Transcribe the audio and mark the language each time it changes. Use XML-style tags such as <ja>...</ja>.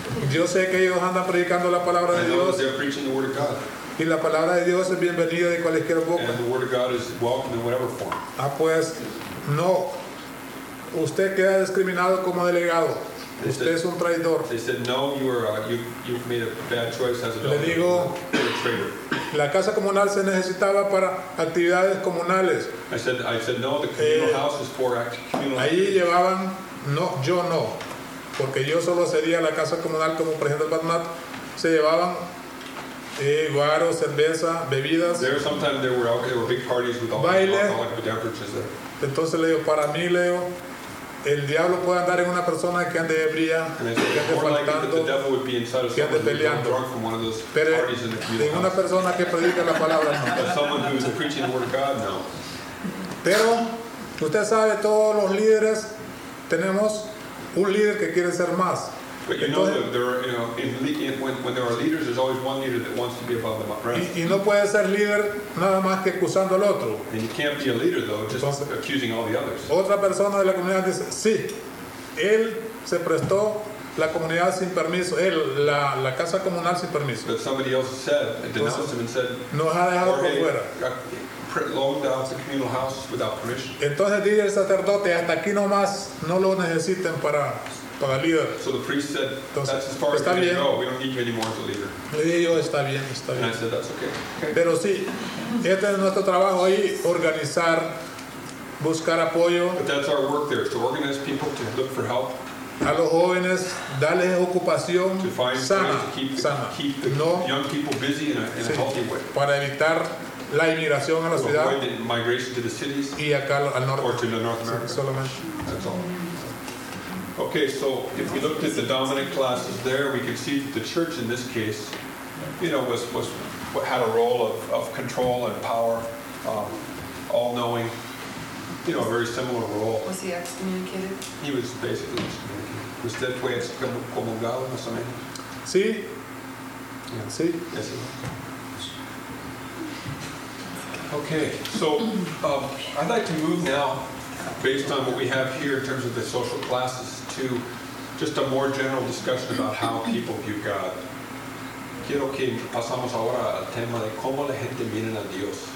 <es>yo sé que ellos andan predicando la palabra de Dios.</es> <en>They're preaching the word of God.</en> <es>Y la palabra de Dios es bienvenida de cualquier boca.</es> <en>And the word of God is welcome in whatever form.</en> <es>Ah, pues, no. Usted queda discriminado como delegado.</es> <en>They</en> <es>usted</es> <en>said,</en> <es>es un traidor.</es> <en>They said, no, you've made a bad choice as a</en> <es>Le digo, la casa comunal se necesitaba para actividades comunales.</es> <en>I said, no, the communal house is for communal.</en> <es>Ahí llevaban, no, yo no. Porque yo solo sería la casa comunal como presidente del patronato. Se llevaban guaro, cerveza, bebidas.</es> <en>There sometimes there were big parties with all the beverages.</en> <es>Entonces le digo, para mí, Leo, el diablo puede andar en una persona que ande ebria, que ande faltando, que ande peleando. Pero en una persona que predica la palabra, no.</es> <en>But someone who is preaching the word of God, no.</en> <es>Pero usted sabe, todos los líderes tenemos un líder que quiere ser más.</es> <en>But you know, when there are leaders, there's always one leader that wants to be above the rest.</en> <es>Y no puede ser líder nada más que acusando al otro.</es> <en>And you can't be a leader, though, just accusing all the others.</en> <es>Otra persona de la comunidad dice, sí, él se prestó la comunidad sin permiso, él, la casa comunal sin permiso.</es> <en>But somebody else said, denounced him and said,</en> <es>nos ha dejado por fuera.</es> <en>Loaned out the communal house without permission.</en> <es>Entonces dice el sacerdote, hasta aquí no más, no lo necesiten para...</es> <en>So the priest said, "That's as far as we can go. We don't need you anymore as a leader."</en> <es>Le dije, está bien, está bien.</es> <en>And I said, "That's okay."</en> <es>Pero sí, este es nuestro trabajo ahí, organizar, buscar apoyo.</es> <en>But that's our work there, to organize people to look for help.</en> <es>A los jóvenes, darles ocupación</es> <en>to find</en> <es>sana,</es> <en>to keep the,</en> <es>sana.</es> <en>Keep the</en> <es>no,</es> <en>young people busy in a</en> <es>sí,</es> <en>healthy way.</en> <es>Para evitar la inmigración a la</es> <en>to</en> <es>ciudad.</es> <en>Avoid the migration to the cities.</en> <es>Y acá al norte.</es> <en>Or to the North America.</en> <es>Sí, solamente.</es> <en>That's all. Okay, so if we looked at the dominant classes there, we could see that the church in this case, you know, had a role of control and power, all-knowing, you know, a very similar role. Was he excommunicated? He was basically excommunicated.</en> <es>¿Usted fue excomulgado, más o menos? Sí.</es> <en>Yeah.</en> <es>Sí.</es> <en>Yes, he was. Okay, so I'd like to move now, based on what we have here in terms of the social classes, to just a more general discussion about how people view God.</en> <es>Quiero que pasamos ahora al tema de cómo la gente mira a Dios.</es>